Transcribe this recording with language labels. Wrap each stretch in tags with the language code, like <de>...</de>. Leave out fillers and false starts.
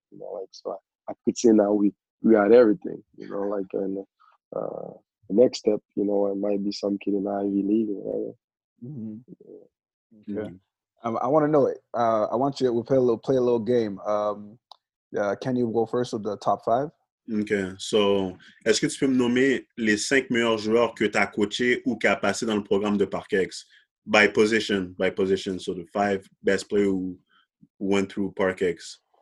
<en>You know, like, so I could say now we had everything. You know, like, and the next step, you know, it might be some kid in the Ivy League or whatever. Mm-hmm. Okay. I want to know it. I want you to play a little game. Can you go first with the top five? Okay.</en> <fr>So, est-ce que tu peux me nommer les cinq meilleurs joueurs que tu as coaché ou qui a passé dans le programme de ParkX?</fr> <en>By position. So, the five best players who went through ParkX.</en>